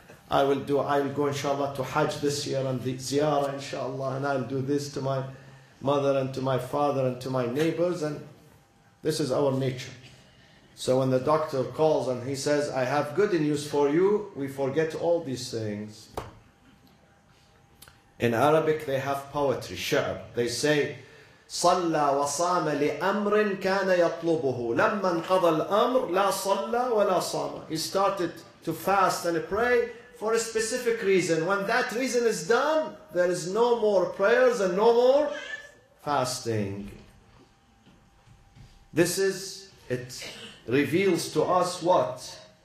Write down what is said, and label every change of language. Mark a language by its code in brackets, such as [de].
[en] I will go inshallah to Hajj this year and the ziyarah inshallah, and I'll do this to my mother and to my father and to my neighbors, and this is our nature. So when the doctor calls and he says, I have good news for you, we forget all these things. In Arabic, they have poetry, sha'r. [ar] They say, صَلَّى وَصَامَ لِأَمْرٍ كَانَ يَطْلُبُهُ لَمَّا انْقَضَ الْأَمْرُ لَا صَلَّى وَلَا صَامَ. [en] He started to fast and pray for a specific reason. When that reason is done, there is no more prayers and no more fasting. This is, it reveals to us what?